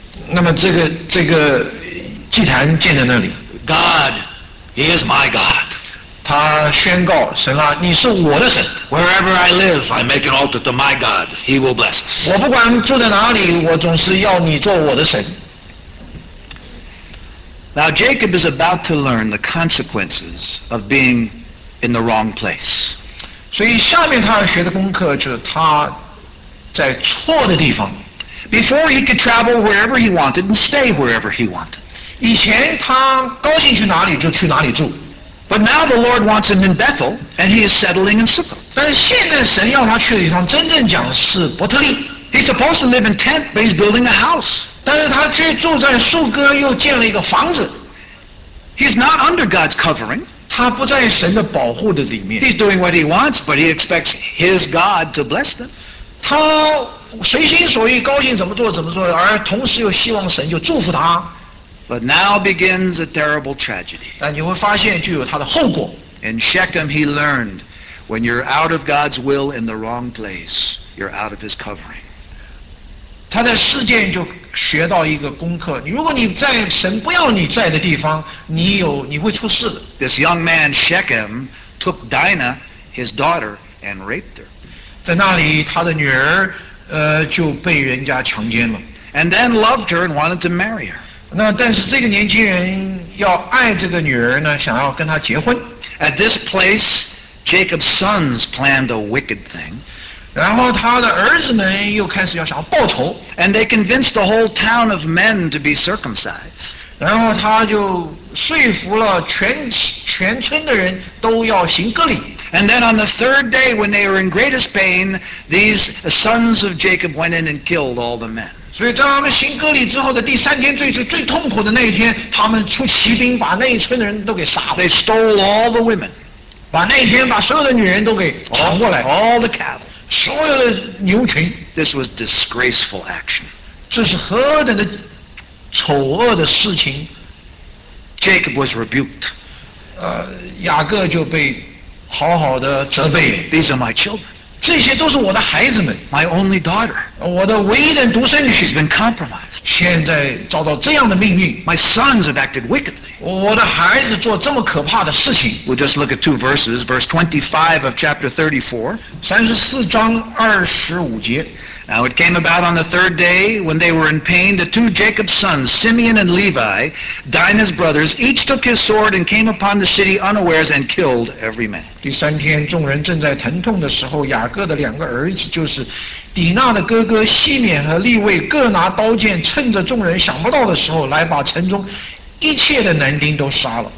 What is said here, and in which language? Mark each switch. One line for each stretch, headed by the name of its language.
Chinese: 那么这个祭坛建在那里
English: God, he is my God.
Chinese: 他宣告神啊，你是我的神
English: Wherever I live, I make an altar to my God, he will bless us.
Chinese: 我不管住在哪里，我总是要你做我的神。
English: Now Jacob is about to learn the consequences of being in the wrong place.
Chinese: 所以下面他要学的功课就是他在错的地方。
English: Before he could travel wherever he wanted and stay wherever he wanted.
Chinese: 以前他高兴去哪里就去哪里住。
English: But now the Lord wants him in Bethel and he is settling in Sukkot.
Chinese: 但是现在神要他去的地方真正讲是伯特利。
English: He's supposed to live in tent, but he's building a house.
Chinese: 但是他却住在树哥，又建了一个房子。
English: He's not under God's covering.
Chinese: 他不在神的保护的里面。
English: He's doing what he wants, but he expects his God to bless them.
Chinese: 他随心所欲，高兴怎么做怎么做，而同时又希望神就祝福他。
English: But now begins a terrible tragedy.
Chinese: 但你会发现就有他的后果。
English: In Shechem, he learned, when you're out of God's will in the wrong place, you're out of his covering.
Chinese: 他在世界就学到一个功课，如果你在神不要你在的地方，你会出事的。
English: This young man Shechem took Dinah, his daughter, and raped her.
Chinese: 在那里，他的女儿就被人家强奸了。
English: And then loved her and wanted to marry her.
Chinese: 那但是这个年轻人要爱这个女儿呢，想要跟她结婚。
English: At this place, Jacob's sons planned a wicked thing.
Chinese: 然后他的儿子们又开始要想报仇
English: and they convinced the whole town of men to be circumcised
Chinese: 然后他就说服了全村的人都要行割礼
English: and then on the third day when they were in greatest pain these sons of Jacob went in and killed all the men
Chinese: 所以在他们行割礼之后的第三天最痛苦的那一天他们出骑兵把那一村的人都给杀了
English: they stole all the women
Chinese: 把那一天把所有的女人都给抢过来
English: all the cattle
Chinese: 所有的牛群
English: This was disgraceful action.
Chinese: 这是何等的丑恶的事情
English: Jacob was rebuked.
Chinese: 雅各就被好好的责备了。
English: These are my children.
Chinese: 这些都是我的孩子们。
English: My only daughter.
Chinese: 我的唯一的独生女。
English: She's been compromised.
Chinese: 现在遭到这样的命运。
English: My sons have acted wickedly.
Chinese: 我的孩子做这么可怕的事情。
English: We'll just look at two verses. Verse 25 of chapter 34.
Chinese: 34章二十五节。
English: Now it came about on the third day, when they were in pain, the two Jacob's sons, Simeon and Levi, Dinah's brothers, each took his sword and came upon the city unawares and killed every man.
Chinese: 第三天，众人正在疼痛的时候，雅各的两个儿子，就是底纳的哥哥西缅和利未，各拿刀剑，趁着众人想不到的时候，来把城中一切的男丁都杀了。